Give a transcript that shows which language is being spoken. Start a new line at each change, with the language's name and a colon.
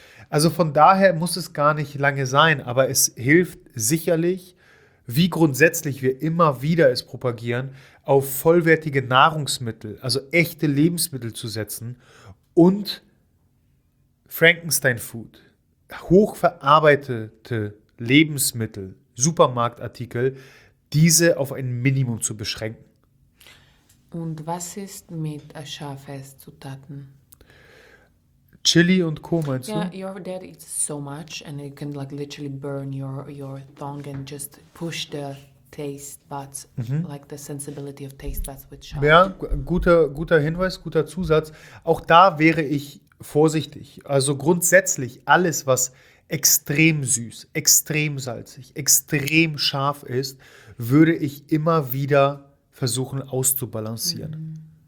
German: Also von daher muss es gar nicht lange sein, aber es hilft sicherlich, wie grundsätzlich wir immer wieder es propagieren, auf vollwertige Nahrungsmittel, also echte Lebensmittel zu setzen und Frankenstein-Food, hochverarbeitete Lebensmittel, Supermarktartikel, diese auf ein Minimum zu beschränken. Und was ist mit scharfen Zutaten? Chili und Co. meinst du?
English: Yeah, your dad eats so much and you can like literally burn your tongue and just push the taste buds, like the sensibility of taste buds with sharp.
German: Ja, guter Hinweis, guter Zusatz. Auch da wäre ich vorsichtig. Also grundsätzlich alles, was extrem süß, extrem salzig, extrem scharf ist, würde ich immer wieder versuchen auszubalancieren.